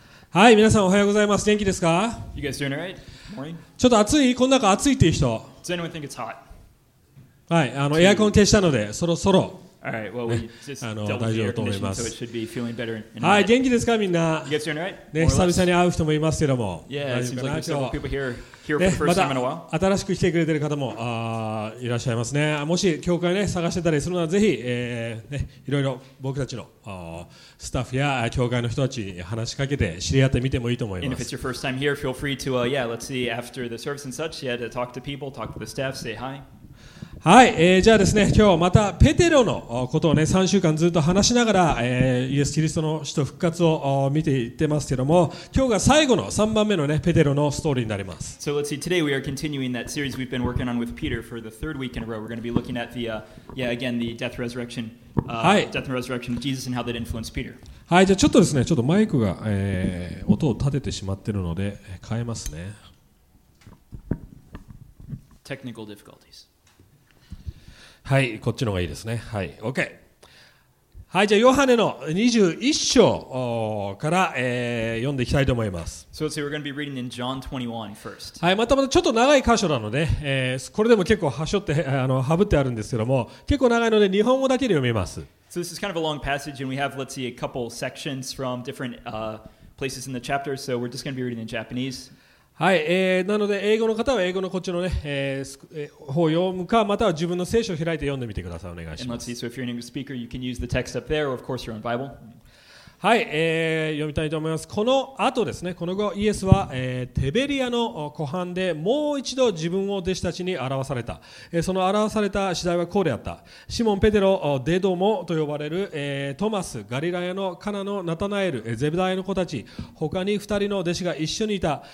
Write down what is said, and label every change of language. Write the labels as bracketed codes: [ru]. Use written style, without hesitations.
[ja] はい、皆さんおはようございます。元気ですか？ [en] You guys doing alright? Morning? [ja] ちょっと暑い？この中暑いっていう人？ [en] Does anyone think it's hot? [ja] はい、あの、エアコン消したので、そろそろ。 [en] Alright, well, we just doubled the air condition, so it should be feeling better. [ja] はい、元気ですかみんな？ [en] You guys doing alright? [ja] ね、久々に会う人もいますけども。 [en] Yeah, it seems like there's several people here for the first time in a while. [ja] また新しく来てくれてる方も、いらっしゃいますね。もし教会ね、探してたりするならぜひ、ね、いろいろ僕たちの、スタッフや教会の人たちに話しかけて知り合ってみてもいいと思います。 [en] And if it's your first time here, feel free to, yeah, let's see after the service and such, yeah, to talk to people, talk to the staff, say hi. [ja] はい、じゃあですね、今日はまたペテロのことをね、3週間ずっと話しながら、イエス・キリストの死と復活を見ていってますけども、今日が最後の3番目のね、ペテロのストーリーになります。 [en] So let's see, today we are continuing that series we've been working on with Peter for the third week in a row. We're going to be looking at the, yeah, again, the death, resurrection,、 [ja] はい、 [en] death and resurrection of Jesus and how that influenced Peter. [ja] はい、じゃあちょっとですね、ちょっとマイクが、音を立ててしまってるので、変えますね。 [en] Technical difficulties. [ja] はい、こっちの方がいいですね。はい、OK。はい、じゃあ、ヨハネの21章から、読んでいきたいと思います。 [en] So let's see, we're going to be reading in John 21 first. [ja] はい、またまたちょっと長い箇所なので、これでも結構はしょって、はぶってあるんですけども、結構長いので、日本語だけで読みます。 [en] So this is kind of a long passage, and we have, let's see, a couple sections from different, places in the chapter, so we're just going to be reading in Japanese. [ja] はい、なので英語の方は英語のこっちの、ね、方を読むかまたは自分の聖書を開いて読んでみてください。お願いします。 [en] And let's see, so if you're an English speaker, you can use the text up there or of course your own Bible. [ja] はい、読みたいと思います。この後ですね、この後イエスは、テベリアの湖畔でもう一度自分を弟子たちに表された、その表された次第はこうであった。シモン・ペテロ・デドモと呼ばれる、トマス・ガリラヤのカナのナタナエル・ゼブダヤの子たち、他に二人の弟子が一緒にいた。